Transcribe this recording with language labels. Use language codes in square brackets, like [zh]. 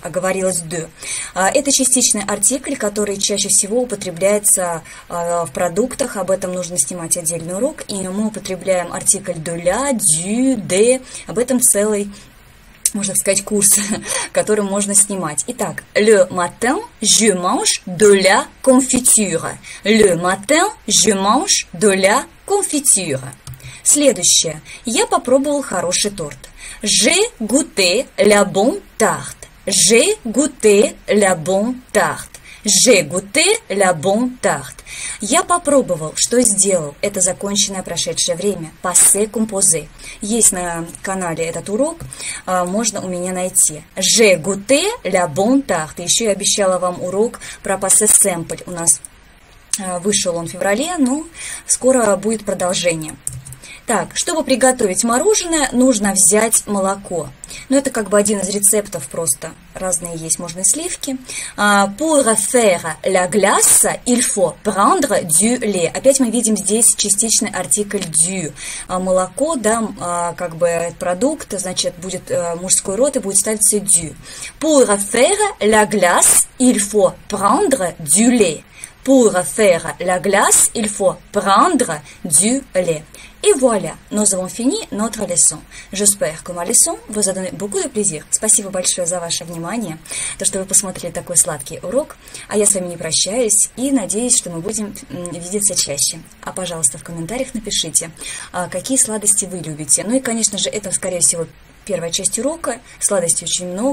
[ru] Оговорилась de. Это частичный артикль, который чаще всего употребляется в продуктах. Об этом нужно снимать отдельный урок. И мы употребляем артикль de la, du, de. Об этом целый, можно сказать, курс, который можно снимать. [fr] Итак, le matin, je mange de la confiture. Le matin, je mange de la confiture. Следующее. [ru] Я попробовал хороший торт. [fr] J'ai goûté la bonne tarte. J'ai goûté la bonne tarte. J'ai goûté la bonne tarte. [ru] Я попробовал, что сделал. Это законченное прошедшее время. [fr] Passé composé. [ru] Есть на канале этот урок, можно у меня найти. [fr] J'ai goûté la bonne tarte. [ru] Еще я обещала вам урок про passé simple. У нас вышел он в феврале, но скоро будет продолжение. Так, чтобы приготовить мороженое, нужно взять молоко. Ну, это как бы один из рецептов просто. Разные есть, можно сливки. [fr] Pour faire la glace, il faut prendre du lait. [ru] Опять мы видим здесь частичный артикль du. Молоко, да, как бы продукт, значит, будет мужской род и будет ставиться du. [fr] Pour faire la glace, il faut prendre du lait. Pour faire la glace, il faut prendre du lait. Et voilà, nous avons fini notre leçon. J'espère que ma leçon vous a donné beaucoup de plaisir. [ru] Спасибо большое за ваше внимание, то, что вы посмотрели такой сладкий урок. А я с вами не прощаюсь и надеюсь, что мы будем видеться чаще. А, пожалуйста, в комментариях напишите, какие сладости вы любите. Ну и, конечно же, это, скорее всего, первая часть урока. Сладостей очень много.